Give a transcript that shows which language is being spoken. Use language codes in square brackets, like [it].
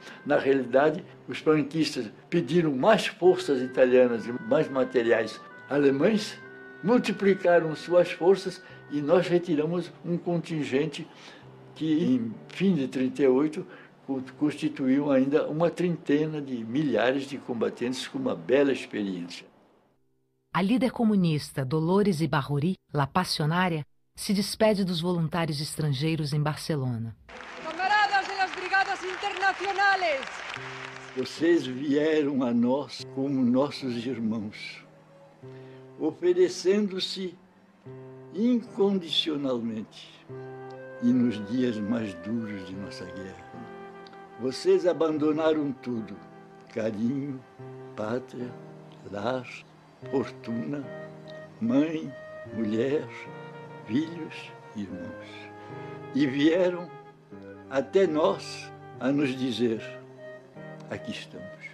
[pt] Na realidade, os franquistas pediram mais forças italianas e mais materiais alemães, multiplicaram suas forças e nós retiramos um contingente que, em fim de 1938, constituiu ainda uma trentena de milhares de combatentes com uma bela experiência. A líder comunista Dolores Ibárruri, La Passionária, se despede dos voluntários estrangeiros em Barcelona. [es] Camaradas de las brigadas internacionales! [pt] Vocês vieram a nós como nossos irmãos, oferecendo-se incondicionalmente e nos dias mais duros de nossa guerra. Vocês abandonaram tudo, carinho, pátria, lar, fortuna, mãe, mulher, filhos e irmãos, e vieram até nós a nos dizer: aqui estamos.